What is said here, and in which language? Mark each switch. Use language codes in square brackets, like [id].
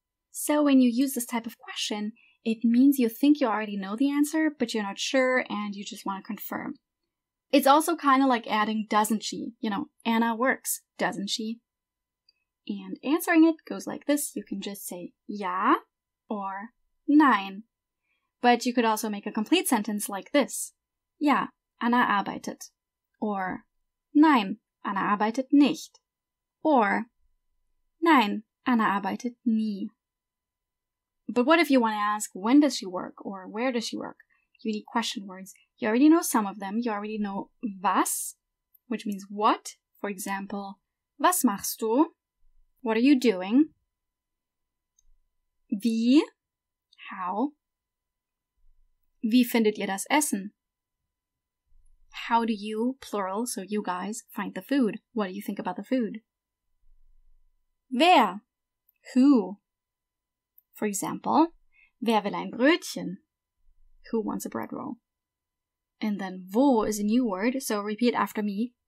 [en] So when you use this type of question, it means you think you already know the answer, but you're not sure and you just want to confirm. It's also kind of like adding doesn't she? You know, Anna works, doesn't she? And answering it goes like this. You can just say ja or nein. But you could also make a complete sentence like this. [de] Ja, Anna arbeitet. Or, nein, Anna arbeitet nicht. Or, nein, Anna arbeitet nie. [en] But what if you want to ask, when does she work? Or, where does she work? You need question words. You already know some of them. You already know was, which means what. For example, [de] was machst du? [en] What are you doing? Wie? How? [de] Wie findet ihr das Essen? [en] How do you, plural, so you guys, find the food? What do you think about the food? Wer? Who? For example, [de] wer will ein Brötchen? [en] Who wants a bread roll? And then wo is a new word, so repeat after me.